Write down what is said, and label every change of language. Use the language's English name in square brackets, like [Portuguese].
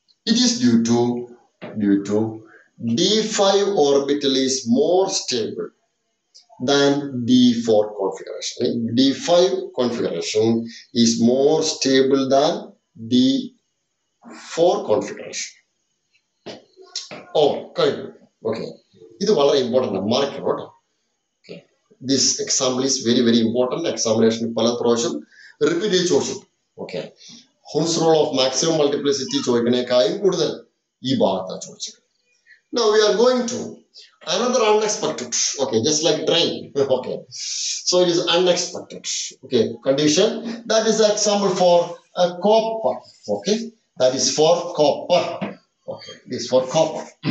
[English] It is due to D5 orbital is more stable than D4 configuration. D5 configuration is more stable than D4 configuration. Okay. [Malayalam] ഇത് വളരെ important mark കേട്ടോ. [English] Okay, this example is very very important. [Malayalam] Examination പല പ്രാവശ്യം repeat ചെയ്ത് ചോദിച്ചു. Okay, Hund's rule of maximum multiplicity ചോദിക്കണേക്കായും കൂടുതൽ ഈ ഭാഗത്ത് ചോദിച്ചത്. [English] Now we are going to another unexpected. Okay, just like train. Okay, so it is unexpected. Okay, condition, that is the example for a copper. Okay, that is for copper. Okay, this for copper.